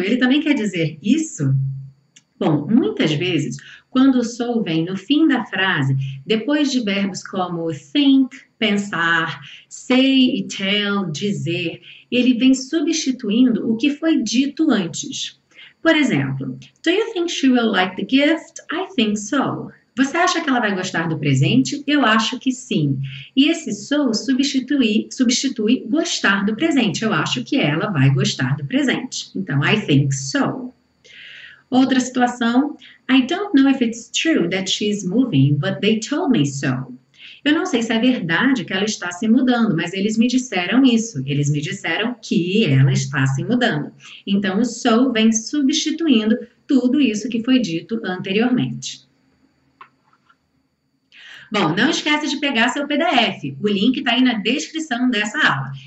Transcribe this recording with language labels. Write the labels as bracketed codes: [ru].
[pt] Ele também quer dizer isso? Bom, muitas vezes, quando o "so" vem no fim da frase, depois de verbos como "think", pensar, "say" e "tell", dizer, ele vem substituindo o que foi dito antes. Por exemplo, [en] "do you think she will like the gift? I think so." [pt] Você acha que ela vai gostar do presente? Eu acho que sim. E esse "so" substitui gostar do presente. Eu acho que ela vai gostar do presente. Então, [en] "I think so." [pt] Outra situação, [en] "I don't know if it's true that she's moving, but they told me so." [pt] Eu não sei se é verdade que ela está se mudando, mas eles me disseram isso. Eles me disseram que ela está se mudando. Então, o "so" vem substituindo tudo isso que foi dito anteriormente. Bom, não esquece de pegar seu PDF. O link está aí na descrição dessa aula.